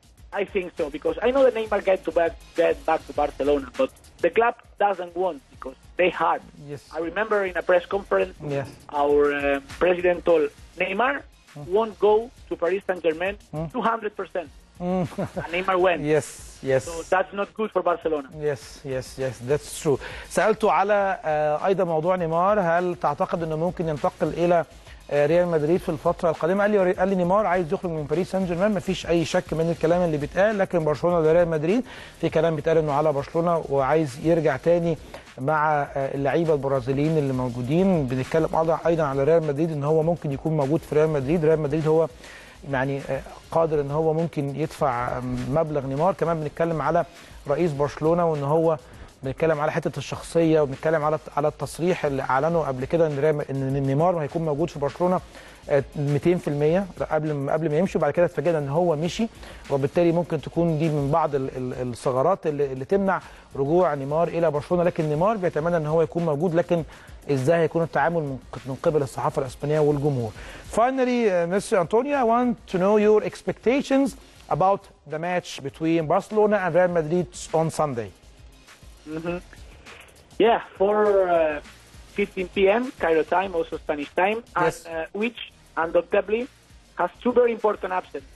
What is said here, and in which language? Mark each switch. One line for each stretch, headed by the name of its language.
English: I think so, because I know that Neymar get back to Barcelona, but the club doesn't want, because they hard. Yes. I remember in a press conference, yes, our president told Neymar won't go to Paris Saint-Germain 200%. Neymar went. Yes, yes. So that's not good for Barcelona. Yes, yes, yes. That's true.
Arabic: سألته على أيضا موضوع نيمار، هل تعتقد أنه ممكن ينتقل إلى ريال مدريد في الفترة القادمة؟ قال لي نيمار عايز يخرج من باريس سان جيرمان، مفيش أي شك من الكلام اللي بيتقال، لكن برشلونة لريال مدريد في كلام بيتقال أنه على برشلونة وعايز يرجع تاني مع اللعيبة البرازيليين اللي موجودين. بنتكلم أيضا على ريال مدريد أن هو ممكن يكون موجود في ريال مدريد. ريال مدريد هو يعني قادر ان هو ممكن يدفع مبلغ نيمار. كمان بنتكلم على رئيس برشلونه وان هو بنتكلم على حته الشخصيه، وبنتكلم على التصريح اللي اعلنه قبل كده ان نيمار هيكون موجود في برشلونه 200% قبل ما يمشي، وبعد كده اتفاجئنا ان هو مشي، وبالتالي ممكن تكون دي من بعض الثغرات اللي تمنع رجوع نيمار الى برشلونه. لكن نيمار بيتمنى ان هو يكون موجود، لكن ازاي هيكون التعامل من قبل الصحافه الاسبانيه والجمهور.
English: Finally, Mr. Antonio, I want to know your expectations about the match between Barcelona and Real Madrid on Sunday. Mm-hmm. Yeah, for 15 p.m. Cairo time, also Spanish time, yes. And which undoubtedly has two very important absences.